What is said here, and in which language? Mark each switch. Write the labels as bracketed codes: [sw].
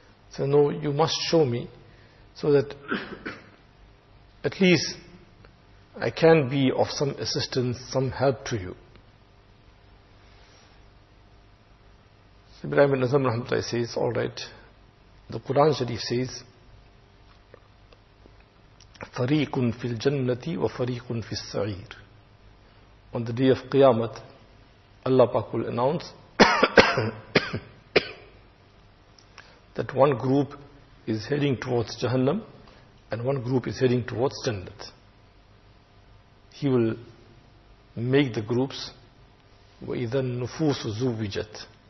[en] So no, you must show me so that at least I can be of some assistance, some help to you. So Ibrahim bin Azam rahmatullah says, all right. The Quran Sharif says, [ar] فَرِيقٌ فِي الْجَنَّةِ وَفَرِيقٌ فِي السَّعِيرِ. [en] On the day of Qiyamah, Allah Pak will announce that one group is heading towards Jahannam and one group is heading towards Jannat. He will make the groups [ar] وَإِذَا النُّفُوسُ زُوِّجَتْ.